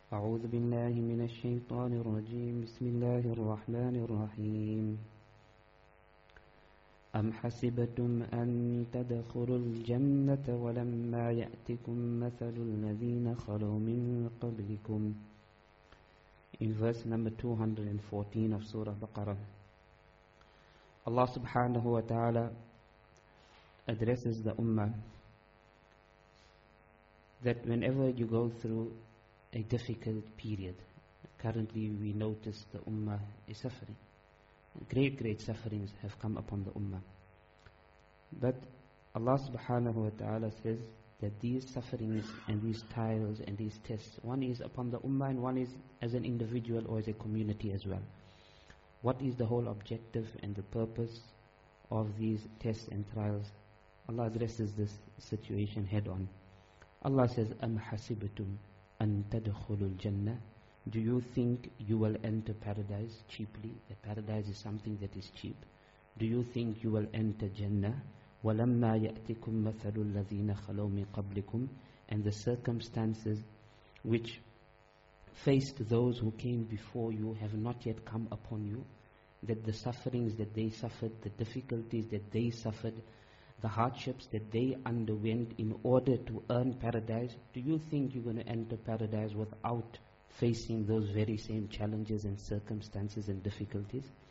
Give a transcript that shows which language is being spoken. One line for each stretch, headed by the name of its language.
Arabic: أعوذ بالله من الشيطان الرجيم، بسم الله الرحمن الرحيم. أم حسبتم أن تدخلوا الجنة ولما يأتكم مثل الذين خلوا من قبلكم.
English: In verse number 214 of Surah Baqarah, Allah subhanahu wa ta'ala addresses the Ummah that whenever you go through a difficult period. Currently we notice the Ummah is suffering. Great, great sufferings have come upon the Ummah. But Allah subhanahu wa ta'ala says that these sufferings and these trials and these tests, one is upon the Ummah and one is as an individual or as a community as well. What is the whole objective and the purpose of these tests and trials? Allah addresses this situation head on. Allah says,
Arabic: أَمْ حَسِبْتُمْ أَن تَدْخُلُوا الْجَنَّةِ.
English: Do you think you will enter paradise cheaply? A paradise is something that is cheap. Do you think you will enter Jannah?
Arabic: وَلَمَّا يَأْتِكُمْ مَثَلُ الَّذِينَ خَلَوْا مِن قَبْلِكُمْ.
English: And the circumstances which faced those who came before you have not yet come upon you, that the sufferings that they suffered, the difficulties that they suffered, the hardships that they underwent in order to earn paradise, do you think you're going to enter paradise without facing those very same challenges and circumstances and difficulties?